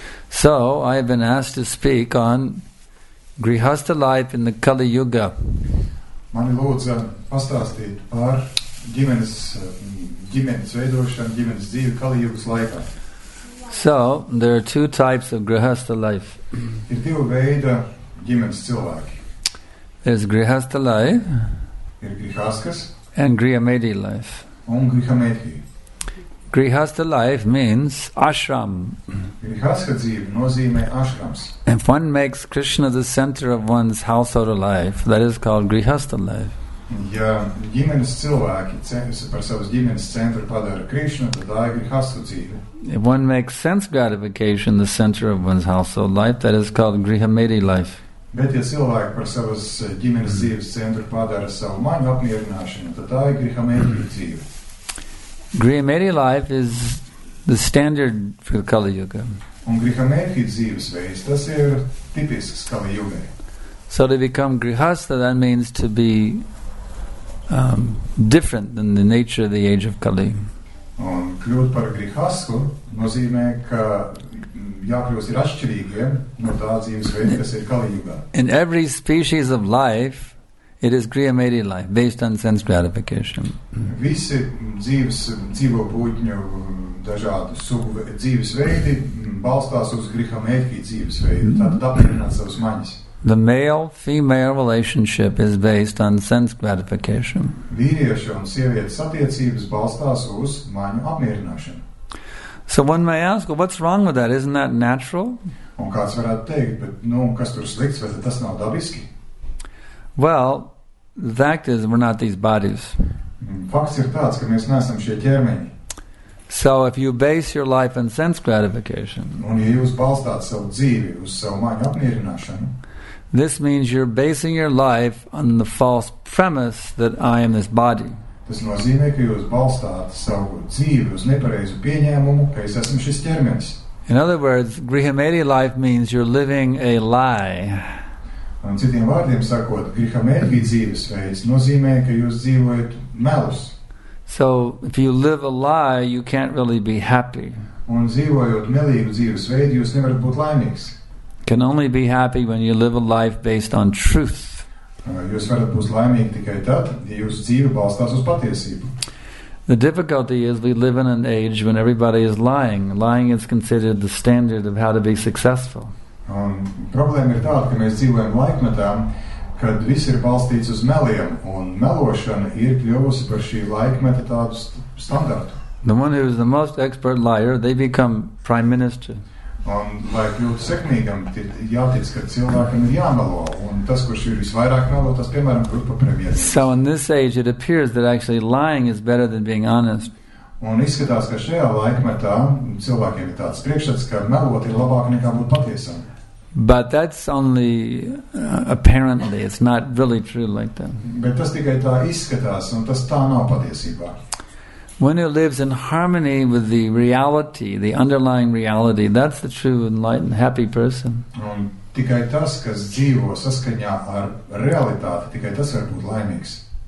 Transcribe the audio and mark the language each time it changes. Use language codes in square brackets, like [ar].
[en] So, I have been asked to speak on Grihastha life in the Kali Yuga. [lv] Mani lūdza pastāstīt par ģimenes veidošanu, ģimenes dzīvi Kali Yugas laikā. [en] So, there are two types of Grihastha life. [lv] Ir divi veidi ģimenes cilvēki. [en] There's Grihastha life. [lv] Ir Grihaskas. [en] And Grihamedi life. [lv] Un Grihamedi. [en] Grihastha life means ashram. [lv] Grihastha dzīve nozīmē ashrams. [en] If one makes Krishna the center of one's household life, that is called Grihastha life. [lv] Ja ģimenes cilvēki par savas ģimenes centru padara Krishna, tad tā ir Grihastha dzīve. [en] If one makes sense gratification the center of one's household life, that is called Grihamedi life. [lv] Bet ja cilvēki par savas ģimenes dzīves centru padara savu maņu apmierināšanu, tad tā ir Grihamedi dzīve. [en] Grihamedi life is the standard for Kali Yuga. [lv] Un Grihamedi dzīves veids, tas ir tipisks Kali Yuga. [en] So to become Grihastha, that means to be different than the nature of the age of Kali. [lv] Un kļūt par Grihastu nozīmē, ka jākļūst ir atšķirīgiem no tā dzīves veida, kas ir Kali Yuga. [en] In every species of life, it is Grihamedi life, based on sense gratification. [lv] Visi dzīvo būtņu dažādu dzīves veidi balstās uz Grihamedi dzīves veidu, tātad apmierināt savas maņas. [en] The male-female relationship is based on sense gratification. [lv] Vīriešu un sievietes attiecības balstās uz maņu apmierināšanu. [en] So one may ask, well, what's wrong with that? Isn't that natural? [lv] Un kāds varētu teikt, bet, nu, kas tur slikts, vai tas nav dabiski? [en] Well, the fact is we're not these bodies. [lv] Fakts ir tāds, ka mēs neesam šie ķermeņi. [en] So if you base your life on sense gratification, [lv] un ja jūs balstāt savu dzīvi uz savu maņu apmierināšanu, [en] this means you're basing your life on the false premise that I am this body. [lv] Tas nozīmē, ka jūs balstāt savu dzīvi uz nepareizu pieņēmumu, ka es esmu šis ķermenis. [en] In other words, Grihamedi life means you're living a lie. [lv] Un citiem vārdiem sakot, Grihamedi dzīves veids nozīmē, ka jūs dzīvojat melus. [en] So, if you live a lie, you can't really be happy. [lv] Un dzīvojot melīgu dzīves veidu, jūs nevarat būt laimīgs. [en] Can only be happy when you live a life based on truth. [lv] Jūs varat būt laimīgi tikai tad, ja jūsu dzīve balstās uz patiesību. [en] The difficulty is we live in an age when everybody is lying. Lying is considered the standard of how to be successful. [lv] Un problēma ir tāda, ka mēs dzīvojam laikmetām, kad viss ir balstīts uz meliem, un melošana ir kļuvusi par šī laikmeta tādu standartu. [en] The one who is the most expert liar, they become prime minister. [lv] Un, lai kļūtu sekmīgam, jātiec, ka cilvēkam ir jāmelo, un tas, kurš ir visvairāk melo, tas, piemēram, kļūt par premjerministru. [en] So in this age it appears that actually lying is better than being honest. [lv] Un izskatās, ka šajā laikmetā cilvēkiem ir tāds priekšstats, ka melot ir labāk nekā būt patiesam. [en] But that's only apparently, it's not really true like that. [lv] Bet tas tikai tā izskatās, un tas tā nav patiesībā. [en] When it lives in harmony with the reality, the underlying reality, that's the true enlightened, happy person. [lv] Un tikai tas, kas dzīvo saskaņā ar realitāti, tikai tas var būt laimīgs.